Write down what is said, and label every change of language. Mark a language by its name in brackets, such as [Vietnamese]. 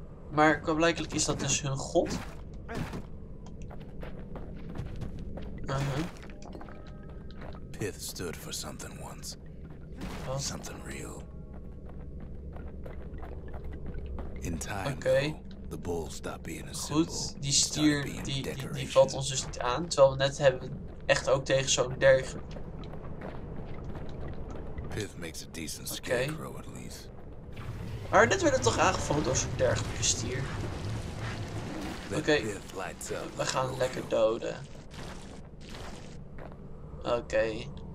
[Dutch] Maar blijkbaar is dat dus hun god. [English] Pith stood for something once. Oh. Something real. In time, though, The bull stopped being a symbol. [Dutch] Goed, die stier die valt ons dus niet aan, terwijl we net hebben echt ook tegen zo'n derger. [English] Pith makes a decent scarecrow at least. [Dutch] Maar net werd het toch aangevallen door zo'n dergelijke stier. Oké, we gaan lekker doden. Oké.